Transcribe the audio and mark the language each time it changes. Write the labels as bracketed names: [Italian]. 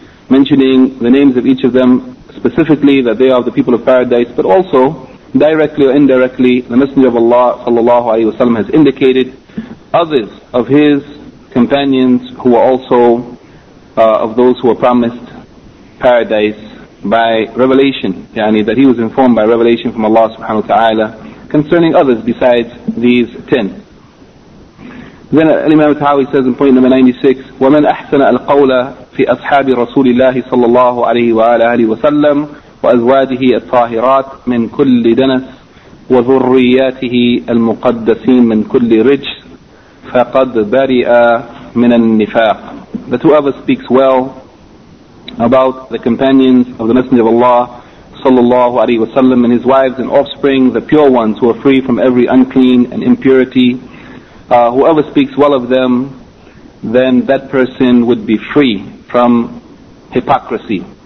[English] mentioning the names of each of them specifically, that they are the people of paradise, but also directly or indirectly the Messenger of Allah sallallahu alayhi wa sallam has indicated others of his companions who are also of those who were promised paradise by revelation, yani that he was informed by revelation from Allah subhanahu wa ta'ala concerning others besides these 10. Then Imam al-Tahawi says in point number 96, [Arabic] وَمَنْ أَحْسَنَ الْقَوْلَ فِي أَصْحَابِ رَسُولِ اللَّهِ صَلَّى اللَّهُ عَلَيْهِ وَعَلَى أَهْلِهِ وَسَلَّمْ وَأَزْوَاجِهِ الطَّاهِرَاتِ مِنْ كُلِّ دَنَسِ وَذُرِّيَّاتِهِ الْمُقَدَّسِينَ مِنْ كُلِّ رِجْسٍ فَقَدْ بَرِئَ مِنَ النِّفَاقِ. [English] That whoever speaks well about the companions of the Messenger of Allah sallallahu alayhi wa sallam and his wives and offspring, the pure ones who are free from every unclean and impurity, whoever speaks well of them, then that person would be free from hypocrisy.